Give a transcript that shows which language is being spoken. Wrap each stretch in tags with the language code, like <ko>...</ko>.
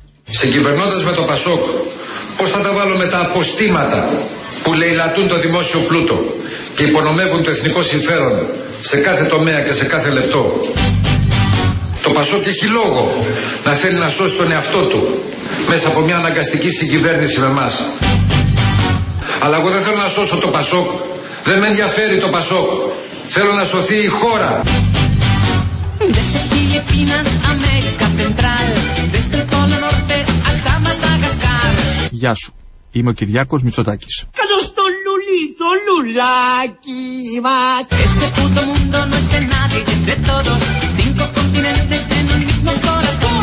<el>Συγκυβερνώντας με το Πασόκ, πώς θα τα βάλω με τα αποστήματα που λαιλατούν το δημόσιο πλούτο και υπονομεύουν το εθνικό συμφέρον σε κάθε τομέα και σε κάθε λεπτό? Το Πασόκ έχει λόγο να θέλει να σώσει τον εαυτό του μέσα από μια αναγκαστική συγκυβέρνηση με εμάς. Αλλά εγώ δεν θέλω να σώσω το Πασόκ. Δεν με ενδιαφέρει το Πασόκ. Θέλω να σωθεί η χώρα.</el> <es>Desde Filipinas, América Central, desde el Polo Norte hasta Madagascar.</es> <el>Γεια σου. Είμαι ο Κυριάκος Μητσοτάκης. Καλώς το λουλί, το λουλάκι μα.</el> <es>Este puto mundo no es de nadie, es de todos. Cinco continentes en un mismo corazón.</es>